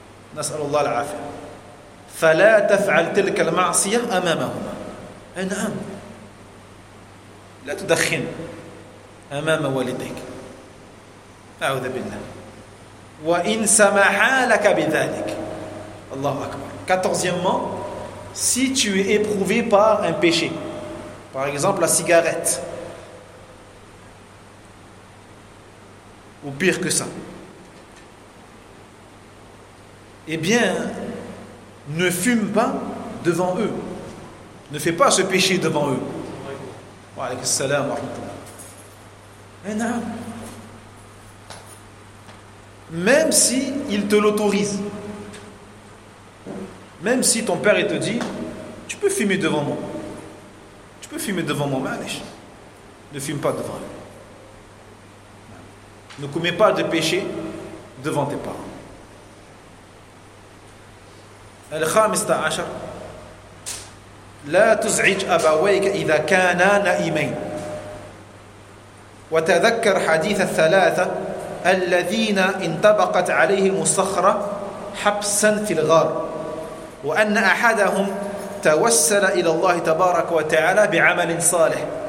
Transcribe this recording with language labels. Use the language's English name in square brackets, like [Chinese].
[Arabic] نسأل الله العافية فلا تفعل تلك المعصية أمامهما. نعم لا تدخن أمام والديك أعوذ بالله وإن سمحا لك بذلك. الله أكبر. [French] Quatorzièmement, si tu es éprouvé par un péché, par exemple la cigarette ou pire que ça, eh bien, ne fume pas devant eux. Ne fais pas ce péché devant eux. [Arabic] Wa alaykum salam wa rahmatullah. [French] Même si ils te l'autorisent. Même si ton père te dit, tu peux fumer devant moi. Tu peux fumer devant moi, mais ne fume pas devant eux. Ne commets pas de péché devant tes parents. [Arabic] الخامسة عشر لا تزعج أبويك إذا كانا نائمين وتذكر حديث الثلاثة الذين انطبقت عليهم الصخرة حبسا في الغار وأن أحدهم توسل إلى الله تبارك وتعالى بعمل صالح